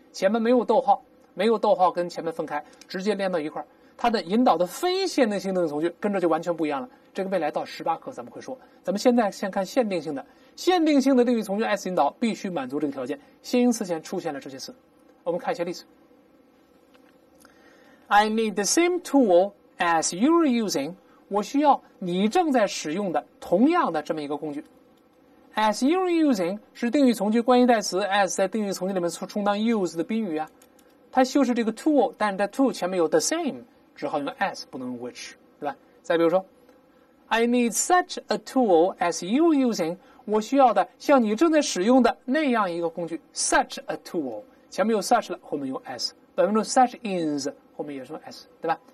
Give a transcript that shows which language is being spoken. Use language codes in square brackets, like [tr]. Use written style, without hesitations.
[zh] 前面没有逗号，没有逗号跟前面分开，直接连到一块，它的引导的非限定性的从句跟着就完全不一样了。这个未来到18课咱们会说，咱们现在先看限定性的。限定性的定语从句 S 引导必须满足这个条件，先行词前出现了这些词。我们看一些例子。 [en] I need the same tool as you're using. [zh] 我需要你正在使用的同样的这么一个工具。 [en] As you're using [zh] 是定语从句关系代词 as 在定语从句里面充当 use 的宾语啊，它就是这个 tool， 但是在 tool 前面有 the same， 只好用 as 不能用 which， 对吧？再比如说 [en] I need such a tool as you're using， [zh] 我需要的像你正在使用的那样一个工具 such a tool， 前面有 such 了，后面用 as， 本文中 such is 后面也是用 as， 对吧？